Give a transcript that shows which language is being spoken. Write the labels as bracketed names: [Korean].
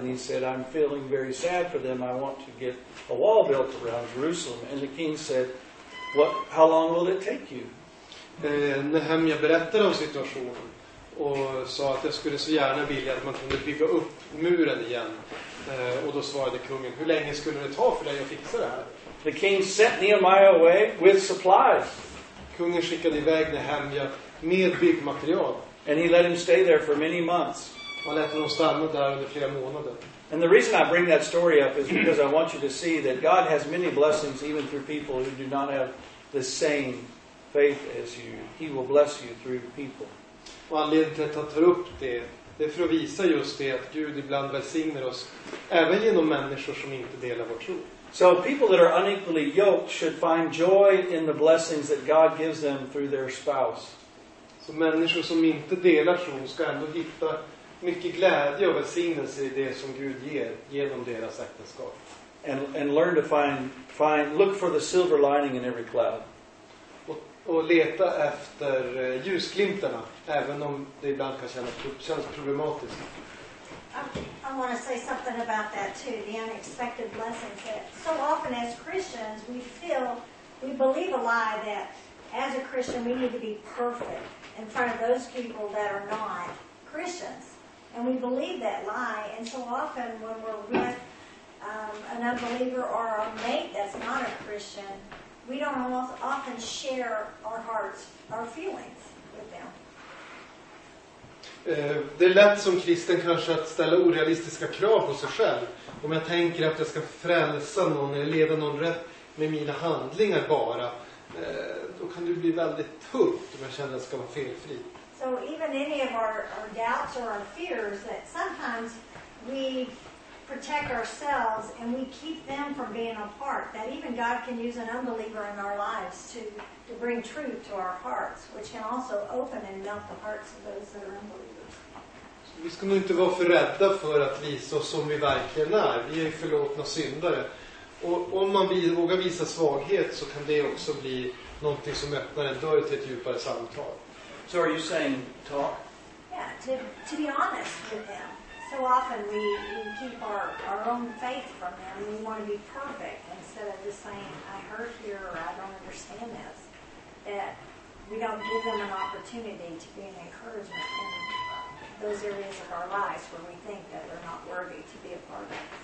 [English] And he said, I'm feeling very sad for them. I want to get a wall built around Jerusalem. And the king said, how long will it take you? [Swedish] Nehemia berättade om situationen och sa att jag skulle så gärna vilja att man kunde bygga upp muren igen. Och då svarade kungen, hur länge skulle det ta för dig att fixa det här? [English] The king sent Nehemiah away with supplies. [Swedish] Kungen skickade iväg Nehemia med byggmaterial. [English] And he let him stay there for many months. [Swedish] Och lät honom stanna där under flera månader. [English] And the reason I bring that story up is because I want you to see that God has many blessings even through people who do not have the same faith as you. He will bless you through people. [Swedish] Och anledningen till att jag tar upp det är för att visa just det, att Gud ibland välsignar oss även genom människor som inte delar vår tro. [English] So people that are unequally yoked should find joy in the blessings that God gives them through their spouse. [Swedish] Så människor som inte delar tro ska ändå hitta mycket glädje och välsignelse i det som Gud ger genom deras äktenskap. [English] And learn to find look for the silver lining in every cloud. [Swedish] Och leta efter ljusglimtarna, även om det ibland kan känns problematiskt. [English] I want to say something about that too, the unexpected blessings. So often as Christians, we believe a lie that as a Christian, we need to be perfect in front of those people that are not Christians. And we believe that lie. And so often when we're with an unbeliever or a mate that's not a Christian, we don't often share our hearts, our feelings. with them. [Swedish] Det är lätt som kristen kanske att ställa orealistiska krav på sig själv. Om jag tänker att jag ska frälsa någon eller leda någon rätt med mina handlingar bara, då kan det bli väldigt tufft om jag känner att jag ska vara felfri. [English] So even any of our doubts or our fears, that sometimes we protect ourselves and we keep them from being apart. That even God can use an unbeliever in our lives to bring truth to our hearts, which can also open and melt the hearts of those that are unbelievers. [Swedish] Så vi ska nog inte vara för rädda för att visa oss som vi verkligen är. Vi är förlåtna syndare. Och om man vågar visa svaghet så kan det också bli någonting som öppnar en dörr till ett djupare samtal. [English] So are you saying talk? Yeah, to be honest with them. So often we keep our own faith from them. We want to be perfect instead of just saying, I heard here or I don't understand this. That we don't give them an opportunity to be an encouragement in those areas of our lives where we think that they're not worthy to be a part of.